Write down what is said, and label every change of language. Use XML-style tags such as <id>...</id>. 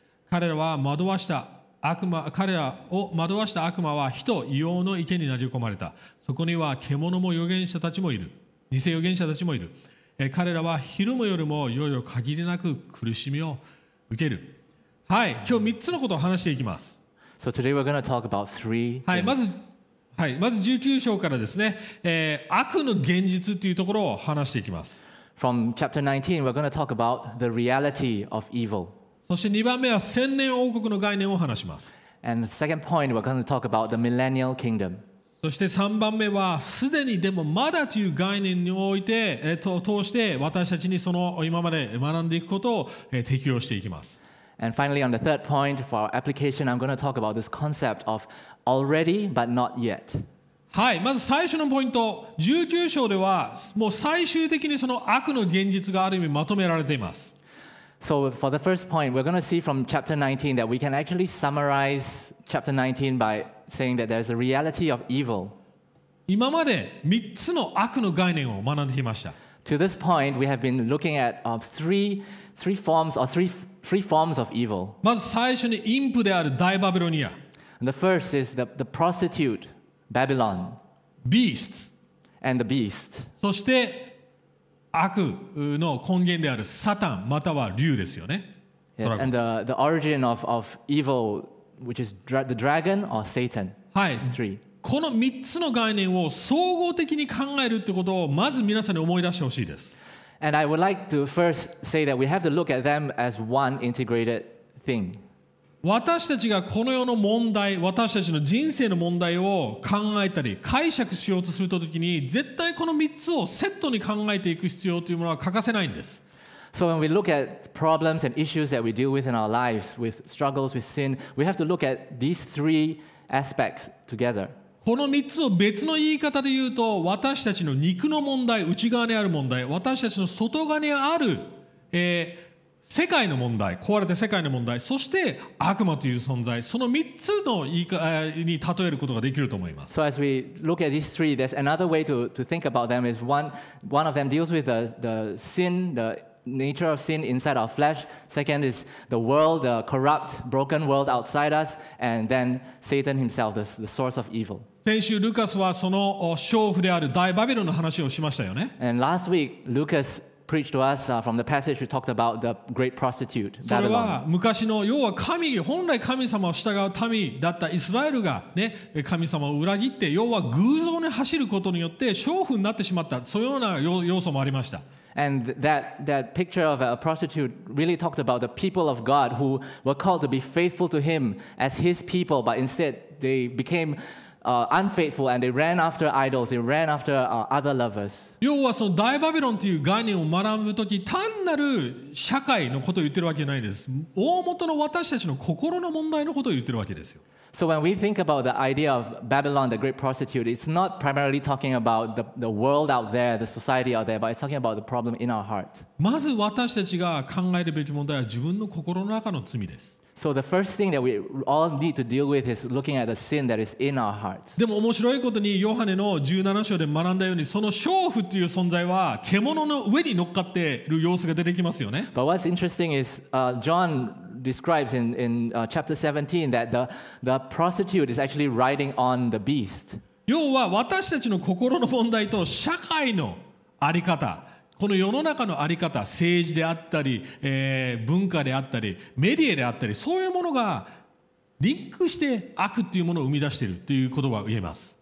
<ja>彼らを惑わした悪魔は火と硫黄の池に投げ込まれた。そこには獣も預言者たちもいる。偽預言者たちもいる。彼らは昼も夜もいよいよ限りなく苦しみを受ける。はい、今日3つのことを話していきます。</ja> <en>So today we're going to talk about three things.</en> <ja>はい、まず19章からですね、悪の現実というところを話していきます。</ja> <en>From chapter 19, we're going to talk about the reality of evil.</en> <ja>そして2番目は千年王国の概念を話します。</ja> <en>And the second point, we're going to talk about the millennial kingdom.</en> <ja>そして3番目はすでにでもまだという概念において、通して私たちにその今まで学んでいくことを、適用していきます。</ja> <en>And finally on the third point for our application I'm going to talk about this concept of already but not yet.</en> <ja>はい、まず最初のポイント、19章ではもう最終的にその悪の現実がある意味まとめられています。</ja> <en>So for the first point, we're going to see from chapter 19 that we can actually summarize chapter 19 by saying that there's a reality of evil.</en> <ja>今まで3つの悪の概念を学んできました。</ja> <en>To this point, we have been looking at three forms of evil.</en> <ja>まず最初に淫婦である大バビロニア。</ja> <en>And the first is the prostitute, Babylon. Beast. And the beast.</en> <ja>そして悪の根源であるサタンまたは竜ですよね。</ja> <en>Yes, and the origin of evil, which is the dragon or Satan.</en> <ja>はい。この3つの概念を総合的に考えるってことをまず皆さんに思い出してほしいです。</ja> <en>And I would like to first say that we have to look at them as one integrated thing.</en> <ja>私たちがこの世の問題、私たちの人生の問題を考えたり解釈しようとするときに、絶対この3つをセットに考えていく必要というものは欠かせないんです。</ja> <en>So when we look at problems and issues that we deal with in our lives, with struggles, with sin, we have to look at these three aspects together.</en> <ja>この3つを別の言い方で言うと、私たちの肉の問題、内側にある問題、私たちの外側にある、世界の問題、壊れた世界の問題、そして悪魔という存在、その3つの言い方に例えることができると思います。</ja> <en>So as we look at these three, there's another way to think about them is one of them deals with the sin, the nature of sin inside our flesh. Second is the world, the corrupt, broken world outside us. And then Satan himself, the source of evil.</en> <ja>先週、ルカスはその娼婦である大バビロンの話をしましたよね。</ja> <en>And last week, Lucas preached to us from the passage we talked about the great prostitute Babylon.</en> <ja>それは昔の要は神本来神様を従う民だったイスラエルがね神様を裏切って要は偶像に走ることによって娼婦になってしまったそういうような要素もありました。</ja> <en>And that picture of a prostitute really talked about the people of God who were called to be faithful to Him as His people, but instead they became unfaithful and they ran after idols, they ran after other lovers.</en> <ja>要はその大バビロンという概念を学ぶとき、単なる社会のことを言ってるわけじゃないです。大元の私たちの心の問題のことを言ってるわけですよ。</ja> <en>So when we think about the idea of Babylon, the great prostitute, it's not primarily talking about the world out there, the society out there, but it's talking about the problem in our heart.</en> <ja>まず私たちが考えるべき問題は自分の心の中の罪です。</ja> <en>So the first thing that we all need to deal with is looking at the sin that is in our hearts.</en> <ja>でも面白いことにヨハネの17章で学んだようにその娼婦という存在は獣の上に乗っかっている様子が出てきますよね。</ja> <en>But what's interesting is John describes in chapter 17 that the prostitute is actually riding on the beast.</en> <ja>要は私たちの心の問題と社会の在り方この世の中の在り方、政治であったり、文化であったり、メディアであったり、そういうものがリンクして悪っていうものを生み出しているということが言えます。</ja>